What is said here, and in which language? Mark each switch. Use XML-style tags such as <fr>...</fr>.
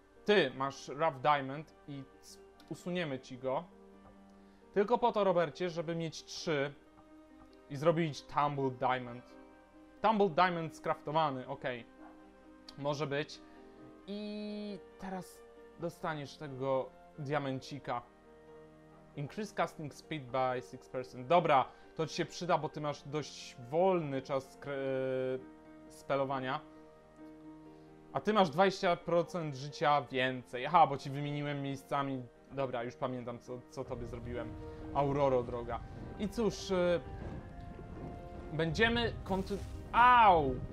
<pl>Ty masz Rough Diamond i usuniemy ci go. Tylko po to, Robercie, żeby mieć 3 i zrobić Tumbled Diamond. Tumbled Diamond skraftowany, okej. Okay. Może być. I teraz dostaniesz tego diamencika.</pl> <en>Increase casting speed by 6%.</en> <pl>Dobra, to ci się przyda, bo ty masz dość wolny czas spelowania. A ty masz 20% życia więcej. Aha, bo ci wymieniłem miejscami. Dobra, już pamiętam, co tobie zrobiłem. Auroro, droga. I cóż, będziemy au!</pl>